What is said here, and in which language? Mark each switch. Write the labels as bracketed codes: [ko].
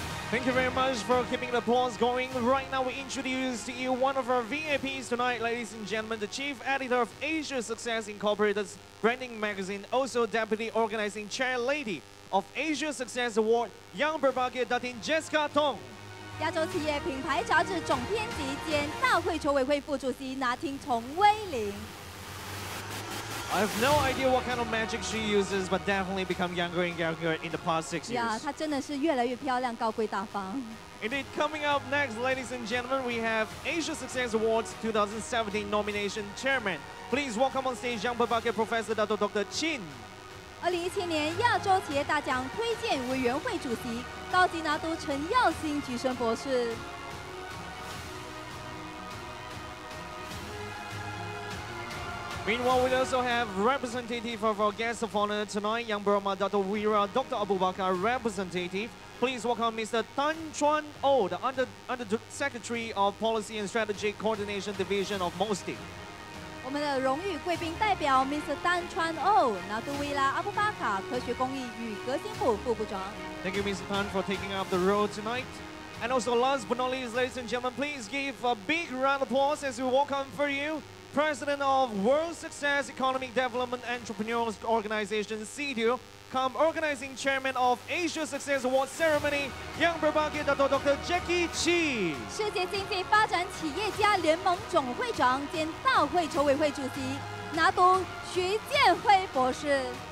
[en] Thank you very much for keeping the applause going. Right now, we introduce to you one of our VIPs tonight, ladies and gentlemen, the chief editor of Asia Success Incorporated's branding magazine, also deputy organizing chair lady of Asia Success Award, Young Brevaki Datin Jessica Tong. [zh] 亚洲企业品牌杂志总编辑兼大会筹委会副主席拿听丛威玲。 [en] I have no idea what kind of magic she uses, but definitely become younger and younger in the past 6 years. [zh] Yeah, 她真的是越来越漂亮，高贵大方。 [en] Indeed, coming up next, ladies and gentlemen, we have Asia Success Awards 2017 nomination chairman. Please welcome on stage Young Babake Professor Dr. Chin. [zh] 2017年亚洲企业大奖推荐委员会主席高级拿督陈耀新举升博士。 [en] Meanwhile, we also have representative of our guest of honor tonight, Young Burma Dr. Wira, Dr. Abubakar, representative. Please welcome Mr. Tan Chuan Oh, the Under Secretary of Policy and Strategy Coordination Division of MOSTI. [zh] 我们的荣誉贵宾代表 Mr. Tan Chuan Oh, Dr. Wira Abubakar, 科学公益与革新部副部长。 [en] Thank you, Mr. Tan, for taking up the role tonight. And also, last but not least, ladies and gentlemen, please give a big round of applause as we welcome for you, President of World Success Economic Development Entrepreneurs Organization, CEDU, come Organizing Chairman of Asia Success Awards Ceremony, Young Brevaki Dr. Jackie Chi. [zh] 世界经济发展企业家联盟总会长兼大会筹委会主席拿督徐建辉博士。